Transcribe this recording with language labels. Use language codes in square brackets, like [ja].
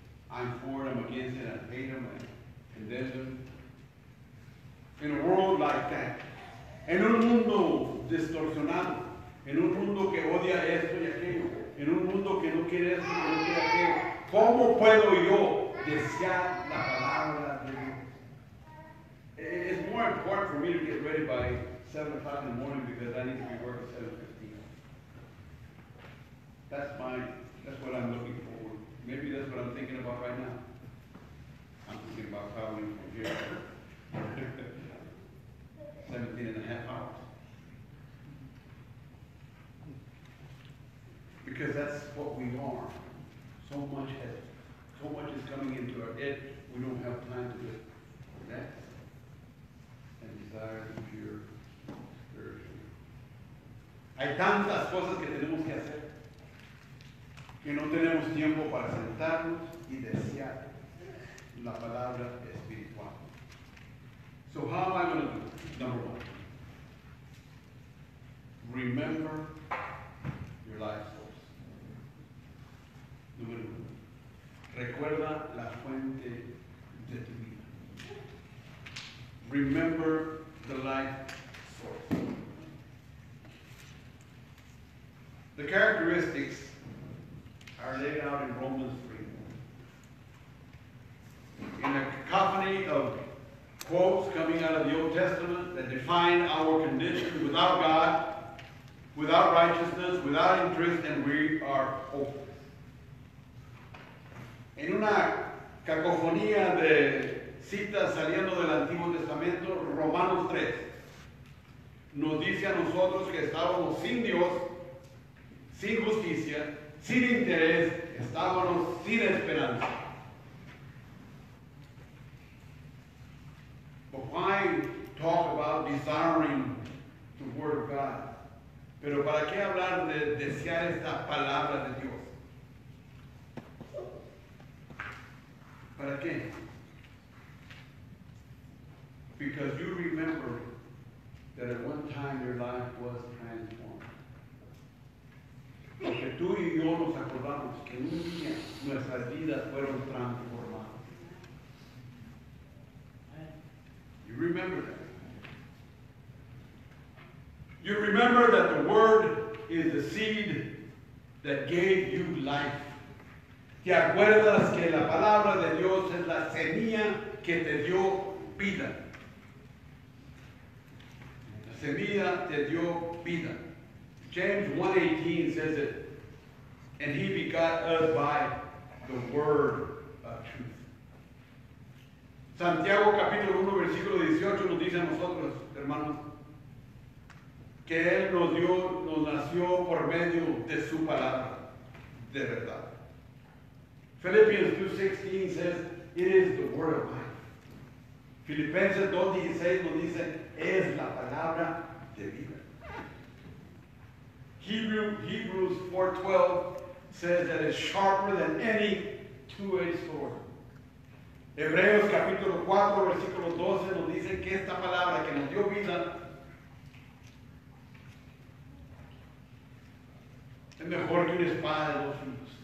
[en] I'm for it, I'm against it, I hate them, I condemn them. In a world like that, [es] en un mundo distorsionado, en un mundo que odia esto y aquello, en un mundo que no quiere esto y no quiere aquello, ¿cómo puedo yo desear la palabra de Dios? [en] It's more important for me to get ready by 7 o'clock in the morning because I need to be working 7:15. That's fine. That's what I'm looking for. Maybe that's what I'm thinking about right now. I'm thinking about traveling from here. 17 and a half hours. Because that's what we are. So much is coming into our head, we don't have time to get that and desire to pure spiritual. [es] Hay tantas cosas que tenemos que hacer que no tenemos tiempo para sentarnos y desear la palabra espiritual. [en] So how am I going to do it? Number one, remember your life source. [es] Número uno, recuerda la fuente de tu vida. [en] Remember the life source. The characteristics are laid out in Romans 3. In a cacophony of quotes coming out of the Old Testament that define our condition without God, without righteousness, without interest, and we are hopeless. [es] En una cacofonía de citas saliendo del Antiguo Testamento, Romanos 3 nos dice a nosotros que estábamos sin Dios, sin justicia, sin interés, estábamos sin esperanza. [en] But why talk about desiring the Word of God? [es] Pero para qué hablar de desear esta palabra de Dios? ¿Para qué? [en] Because you remember that at one time your life was transformed. [es] Porque tú y yo nos acordamos que un día nuestras vidas fueron transformadas. [en] You remember that. You remember that the word is the seed that gave you life. [es] Te acuerdas que la palabra de Dios es la semilla que te dio vida. La semilla te dio vida. [en] James 1:18 says it, and he begot us by the word of truth. [es] Santiago capítulo 1, versículo 18 nos dice a nosotros, hermanos, que Él nos dio, nos nació por medio de su palabra, de verdad. Filipenses 2:16 says, it is the word of life. Filipenses 2:16 nos dice, es la palabra de vida. [en] Hebrews 4:12 says that it's sharper than any two-edged sword. [es] Hebreos capítulo 4, versículo 12 nos dice que esta palabra que nos dio vida es mejor que una espada de dos filos.